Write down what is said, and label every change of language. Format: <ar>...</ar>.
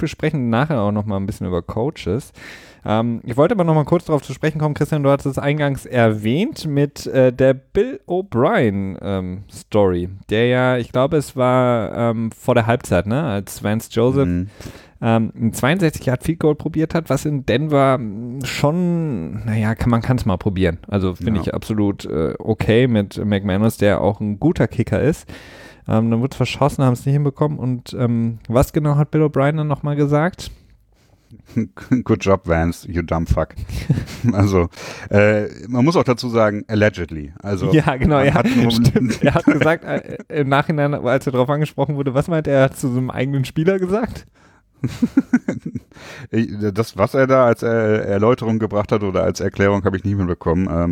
<de>Wir sprechen nachher auch nochmal ein bisschen über Coaches. Ich wollte aber noch mal kurz darauf zu sprechen kommen, Christian, du hast es eingangs erwähnt mit der Bill O'Brien Story, der ja, ich glaube, es war vor der Halbzeit, ne, als Vance Joseph ein 62-Yard-Field-Goal probiert hat, was in Denver schon, naja, kann es mal probieren. Also finde ich absolut okay mit McManus, der auch ein guter Kicker ist. Dann wurde es verschossen, haben es nicht hinbekommen. Und was genau hat Bill O'Brien dann nochmal gesagt?</de> <en>Good job, Vance, you dumb fuck.</en> <de>Also, man muss auch dazu sagen, allegedly. Also, ja, genau, ja, stimmt. Er hat gesagt, im Nachhinein, als er darauf angesprochen wurde, was meint er zu seinem eigenen Spieler gesagt? Das, was er da als Erläuterung gebracht hat oder als Erklärung, habe ich nicht mehr bekommen.</de>